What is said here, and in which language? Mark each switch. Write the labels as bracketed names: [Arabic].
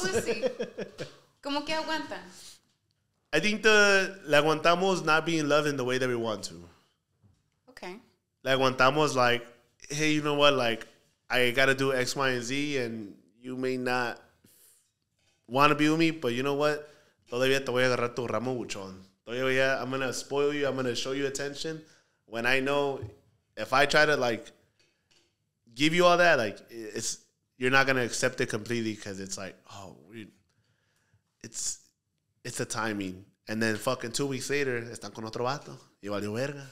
[Spanish] ¿Cómo así? ¿Cómo que aguantan? [English] I think the [Spanish] la aguantamos [English] not being loved in the way that we want to. Okay. [Spanish] La aguantamos [English] like, hey, you know what? Like, I got to do X, Y, and Z, and you may not want to be with me, but you know what? [Spanish] Todavía te voy a agarrar tu ramo buchón. Todavía [English] I'm going to spoil you. I'm going to show you attention. When I know if I try to, like, give you all that, like, it's you're not going to accept it completely because it's like, oh, it's the timing. And then fucking 2 weeks later, [Spanish] están con otro vato. Y valió verga.